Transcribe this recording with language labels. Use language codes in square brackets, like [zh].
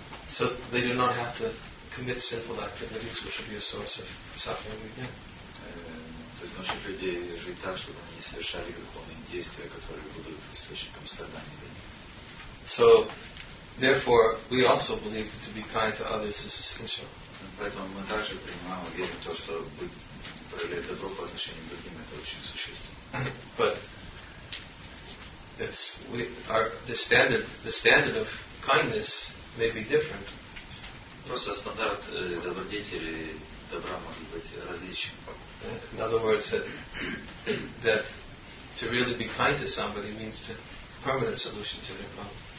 [en] So they do not have to commit sinful activities which will be a source of suffering again. [ru] То есть научить людей жить так, чтобы они не совершали греховные действия, которые будут источником страданий для них. [en] So, therefore, we also believe that to be kind to others is essential. [ru] Поэтому мы также принимаем веру в то, что проявлять добро по отношению к другим — это очень существенно. [en] But the standard of kindness may be different. [ru] Просто стандарт добродетели добра может быть различен. [en] In other words, that to really be kind to somebody means to permanent solution to their problem.